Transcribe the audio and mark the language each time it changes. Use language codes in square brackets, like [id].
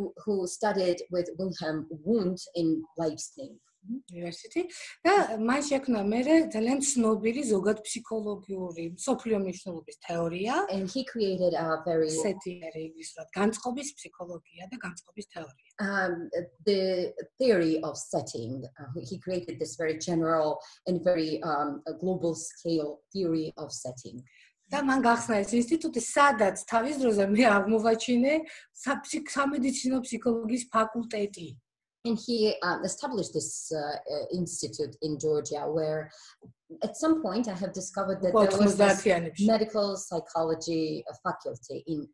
[en] who studied with Wilhelm Wundt in Leipzig University. [ka] Да, მან შექმნა მერე ძალიან ცნობილი ზოგად ფსიქოლოგიური სოფლიო მნიშვნელობის თეორია. [en] And he created a very [ka] setting, განწყობის ფსიქოლოგია და განწყობის თეორია. [en] The theory of setting. He created this very general and very global scale theory of setting. Да, მან გახსნა ეს ინსტიტუტი, სადაც თავის დროზე მე აღმოვაჩინე სამედიცინო ფსიქოლოგიის ფაკულტეტი. And he established this institute in Georgia where at some point I have discovered that there was this medical psychology faculty in